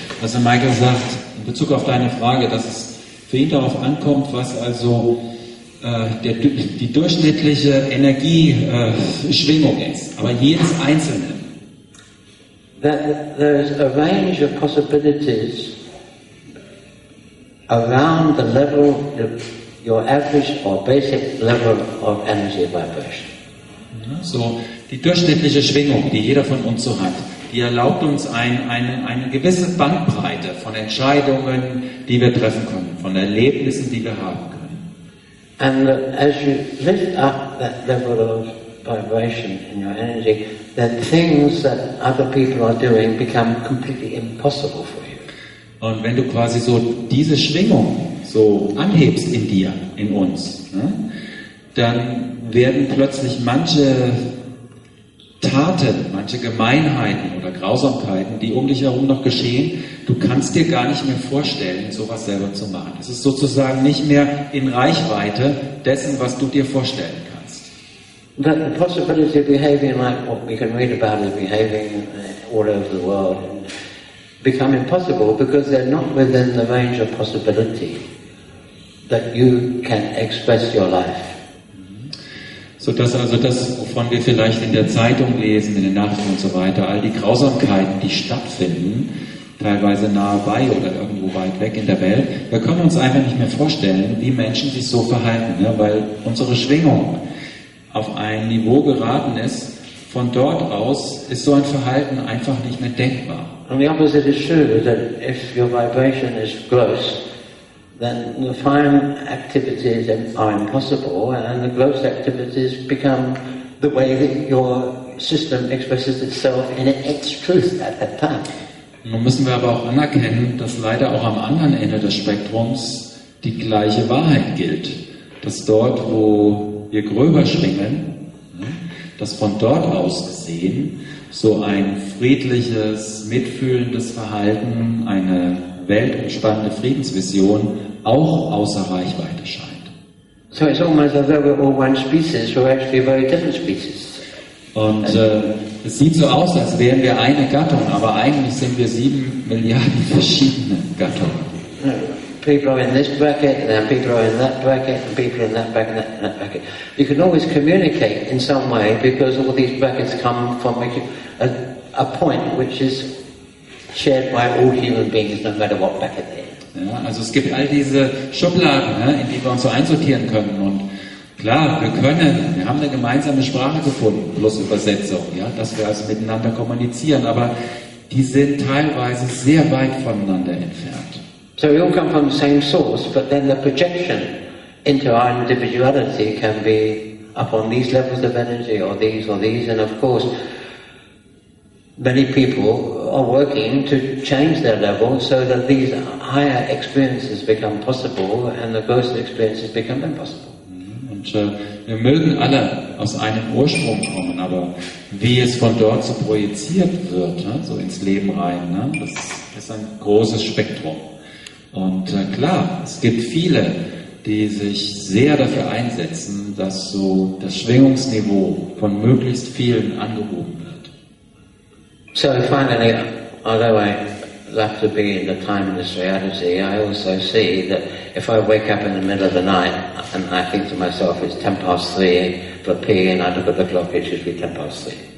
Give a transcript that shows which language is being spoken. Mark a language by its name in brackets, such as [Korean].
[German] Also Michael sagt, in Bezug auf deine Frage, dass es für ihn darauf ankommt, was also die durchschnittliche Energieschwingung ist. Aber jedes Einzelne. [English] That there is a range of possibilities around the level of your average or basic level of energy vibration. [German] So, die durchschnittliche Schwingung, die jeder von uns so hat, die erlaubt uns eine gewisse Bandbreite von Entscheidungen, die wir treffen können, von Erlebnissen, die wir haben können. [English] And as you lift up that level of vibration in your energy, then things that other people are doing become completely impossible for you. [German] Und wenn du quasi so diese Schwingung so anhebst in dir, in uns, ne, dann werden plötzlich manche Taten, manche Gemeinheiten oder Grausamkeiten, die um dich herum noch geschehen, du kannst dir gar nicht mehr vorstellen, sowas selber zu machen. Es ist sozusagen nicht mehr in Reichweite dessen, was du dir vorstellen kannst. [English] But the possibility of behaving like what we can read about is behaving all over the world become impossible because they're not within the range of possibility that you can express your life. [German] So dass also das, wovon wir vielleicht in der Zeitung lesen, in den Nachrichten und so weiter, all die Grausamkeiten, die stattfinden, teilweise nahe bei oder irgendwo weit weg in der Welt, wir können uns einfach nicht mehr vorstellen, wie Menschen sich so verhalten, ne? Weil unsere Schwingung auf ein Niveau geraten ist, von dort aus ist so ein Verhalten einfach nicht mehr denkbar. [English] And the opposite is true, that if your vibration is gross, then the fine activities are impossible and the gross activities become the way that your system expresses itself in its truth at that time. [German] Nun müssen wir aber auch anerkennen, dass leider auch am anderen Ende des Spektrums die gleiche Wahrheit gilt. Dass dort, wo wir gröber schwingen, dass von dort aus gesehen so ein friedliches, mitfühlendes Verhalten, eine weltumspannende Friedensvision auch außer Reichweite scheint. [English] So it's almost as though we're all one species, we're actually a very different species. [German] Und es sieht so aus, als wären wir eine Gattung, aber eigentlich sind wir 7 Milliarden verschiedene Gattungen. [English] People are in this bracket, and then people are in that bracket, and people in that bracket, and that bracket. You can always communicate in some way because all these brackets come from a point which is shared by all human beings, no matter what bracket they're in. [German] Ja, also es gibt all diese Schubladen, ne, in die wir uns so einsortieren können. Und klar, wir können, wir haben eine gemeinsame Sprache gefunden, plus Übersetzung, ja, dass wir also miteinander kommunizieren. Aber die sind teilweise sehr weit voneinander entfernt. [English] So we all come from the same source, but then the projection into our individuality can be upon these levels of energy, or these, and of course, many people are working to change their level so that these higher experiences become possible and the grosser experiences become impossible. [German] Und wir mögen alle aus einem Ursprung kommen, aber wie es von dort so projiziert wird, ne, so ins Leben rein, ne, das ist ein großes Spektrum. Und klar, es gibt viele, die sich sehr dafür einsetzen, dass so das Schwingungsniveau von möglichst vielen angehoben wird. [English] So finally, although I love to be in the timeless reality, I also see that if I wake up in the middle of the night and I think to myself it's 3:10 for P and I look at the clock, it should be 3:10.